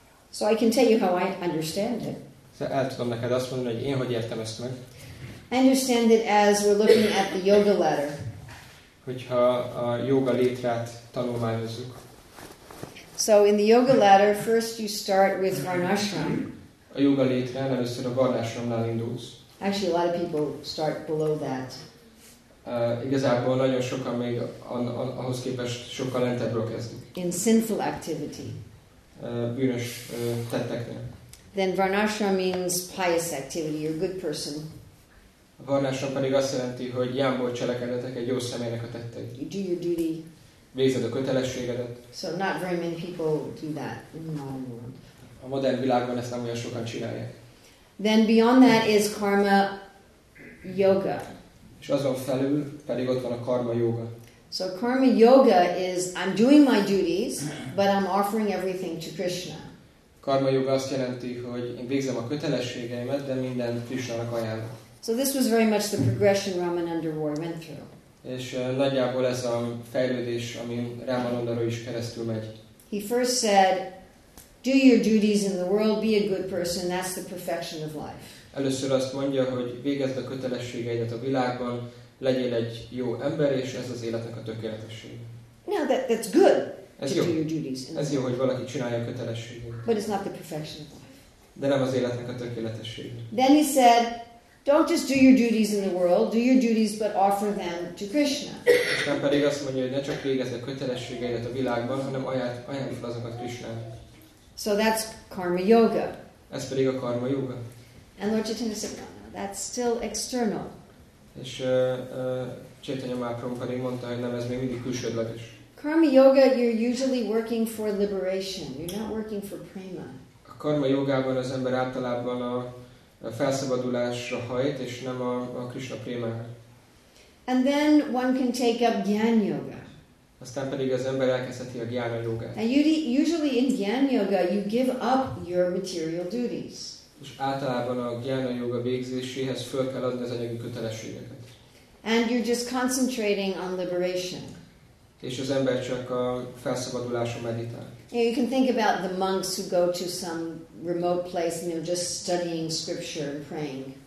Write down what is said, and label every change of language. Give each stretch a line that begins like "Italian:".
English: So I can tell you how I understand it.
Hungarian: So el tudom neked azt mondani, hogy én hogy értem ezt meg.
English: I understand it as we're looking at the yoga letter.
Hungarian: Hogyha a yoga létrát tanulmányozzuk.
English: So in the yoga letter, first you start with varnashram.
Hungarian: A yoga létrán először a varnashramnál indulsz.
English: Actually, a lot of people start below that.
Hungarian: Igazából nagyon sokan még ahhoz képest sokkal lentebbről kezdik.
English: In sinful activity.
Hungarian: Bűnös tetteknél.
English: Then varnashram means pious activity, you're a good person.
Hungarian: Varnashram pedig azt jelenti, hogy jámbor cselekedetek, egy jó személynek a tetteid.
English: You do your duty.
Hungarian: Végzed a kötelességedet.
English: So not very many people do that in the modern world.
Hungarian: A modern világban ezt nem olyan sokan csinálják.
English: Then beyond that is karma yoga.
Hungarian: És azon felül pedig ott van a karma yoga.
English: So karma yoga is I'm doing my duties, but I'm offering everything to Krishna.
Hungarian: Karma yoga azt jelenti, hogy én végzem a kötelességeimet, de minden Krishnának ajánlom.
English: So this was very much the progression Ramananda Roy went through.
Hungarian: És nagyjából ez a fejlődés, ami Ramananda Roy is keresztül megy.
English: He first said, "Do your duties in the world, be a good person. That's the perfection of life."
Hungarian: Először azt mondja, hogy végezd a kötelességeidet a világban. Legyél egy jó ember, és ez az életnek a tökéletessége.
English: Now that's good.
Hungarian: Ez to jó.
English: Do your duties.
Hungarian: Ez jó, hogy valaki csinálja a kötelességét.
English: But it's not the perfection of life.
Hungarian: De nem az életnek a tökéletessége.
English: Then he said, don't just do your duties in the world, do your duties but offer them to Krishna.
Hungarian: Aztán pedig azt mondja, hogy ne csak végezz a kötelességeidet a világban, hanem ajánlj fel azokat Krishnának.
English: So that's karma yoga.
Hungarian: Ez pedig a karma yoga.
English: And Lord Chaitanya said, no, that's still external.
Hungarian: És Chaitanya Mahaprabhu pedig mondta, hogy nem, ez még mindig külsődleges.
English: Karma yoga, you're usually working for liberation. You're not working for prema.
Hungarian: A karma yogában az ember általában a felszabadulásra hajt, és nem a Krishna prémára.
English: And then one can take up gyan yoga.
Hungarian: Aztán pedig az ember elkezdheti a gyána jogát.
English: And usually in gyan yoga, you give up your material duties.
Hungarian: És általában a gyána joga végzéséhez föl kell adni az anyagi kötelességeket.
English: And you're just concentrating on liberation.
Hungarian: És az ember csak a felszabaduláson meditál.
English: You can think about the monks who go to some remote place and they're just studying scripture and praying.